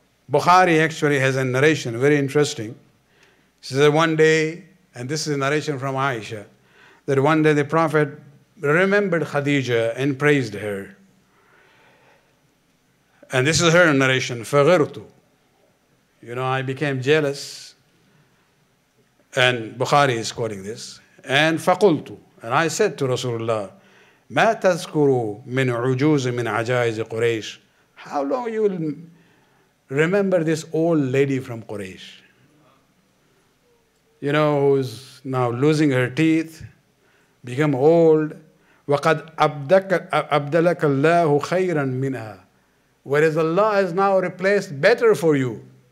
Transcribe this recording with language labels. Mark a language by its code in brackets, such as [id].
[en] Bukhari actually has a narration, very interesting. She said one day, and this is a narration from Aisha, that one day the Prophet remembered Khadijah and praised her. And this is her narration, [ar] فَغِرْتُ. [en] You know, I became jealous. And Bukhari is quoting this. And [ar] فَقُلْتُ. [en] And I said to Rasulullah, [ar] مَا تَذْكُرُ مِنْ عُجُوزِ مِنْ عَجَائِزِ قُرَيْشِ. [en] How long you will remember this old lady from Quraysh? You know, who's now losing her teeth, become old. [ar] وَقَدْ أَبْدَلَكَ اللَّهُ خَيْرًا مِنْهَا. [en] Whereas Allah has now replaced better for you.